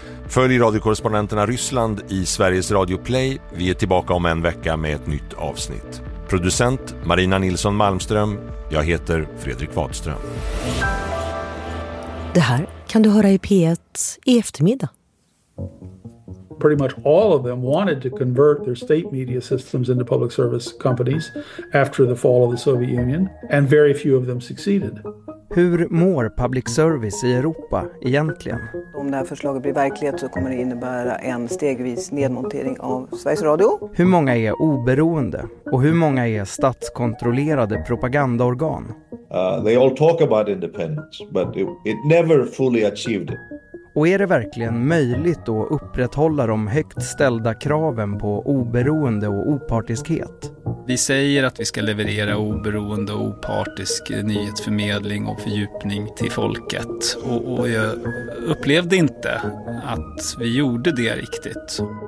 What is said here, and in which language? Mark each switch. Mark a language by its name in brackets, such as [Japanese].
[Swedish] Följ radiokorrespondenterna Ryssland i Sveriges Radio Play. Vi är tillbaka om en vecka med ett nytt avsnitt. Producent Marina Nilsson Malmström, jag heter Fredrik Wadström. Det här kan du höra i P1 i eftermiddag. [English] Pretty much all of them wanted to convert their state media systems into public service companies after the fall of the Soviet Union, and very few of them succeeded. [Swedish] Hur mår public service i Europa egentligen? Om det här förslaget blir verklighet så kommer det innebära en stegvis nedmontering av Sveriges Radio. Hur många är oberoende och hur många är statskontrollerade propagandaorgan? [English] They all talk about independence, but it never fully achieved it. [Swedish] Och är det verkligen möjligt att upprätthålla de högt ställda kraven på oberoende och opartiskhet? Vi säger att vi ska leverera oberoende och opartisk nyhetsförmedling och fördjupning till folket. Och jag upplevde inte att vi gjorde det riktigt.